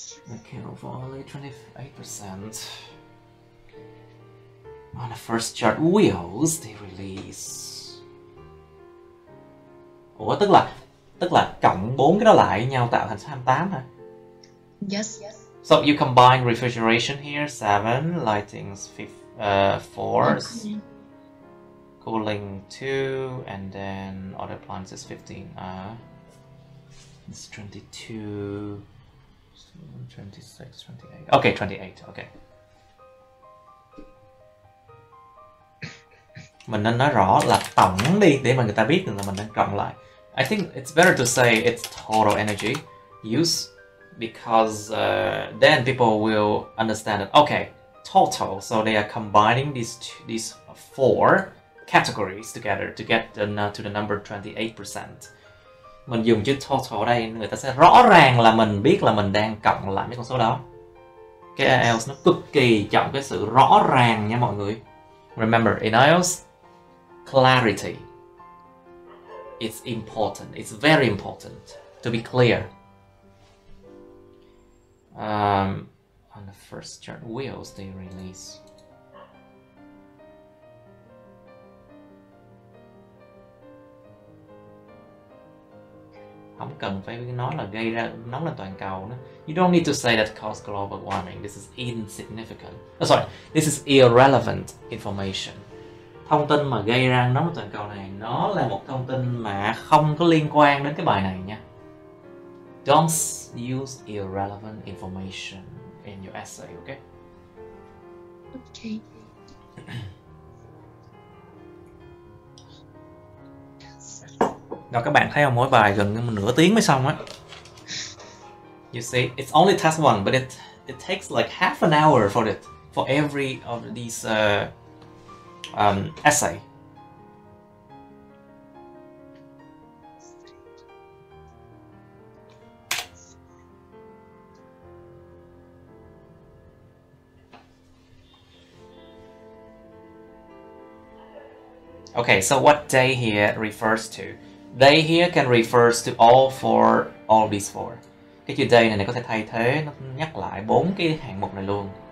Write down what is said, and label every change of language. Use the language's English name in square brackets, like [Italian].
[English] Okay, of only 28% on the first chart, wheels they release. [Vietnamese] Ủa, tức là cộng 4 cái đó lại nhau tạo thành 28 hả? [English] Yes. So you combine refrigeration here, 7, lightings 4, cooling 2, and then other appliances 15. It's 22. 26, 28. Okay, 28, okay. [Vietnamese] Mình nên nói rõ là tổng đi để mà người ta biết là mình đang cộng lại. [English] I think it's better to say it's total energy use, because then people will understand that, okay, total, so they are combining these four categories together to get to the number 28%. [Vietnamese] Mình dùng chữ total ở đây, người ta sẽ rõ ràng là mình biết là mình đang cộng lại mấy con số đó. Cái IELTS nó cực kỳ trọng cái sự rõ ràng nha mọi người. [English] Remember, in IELTS, clarity is important, it's very important to be clear. On the first chart, wheels they release. [Vietnamese] không cần phải nói là gây ra nóng lên toàn cầu nữa. [English] You don't need to say that cause global warming. This is insignificant. Oh, sorry, this is irrelevant information. [Vietnamese] Thông tin mà gây ra nóng toàn cầu này, nó là một thông tin mà không có liên quan đến cái bài này nha. [English] Don't use irrelevant information in your essay, okay? Okay. [Vietnamese] Đó, các bạn thấy không? Mỗi bài gần nửa tiếng mới xong á. [English] You see, it's only test one, but it takes like half an hour for it, for every of these essay. Okay, so what day here refers to? Day here can refers to all these four. [Vietnamese] Cái chữ day này có thể thay thế, nó nhắc lại bốn cái hạng mục này luôn.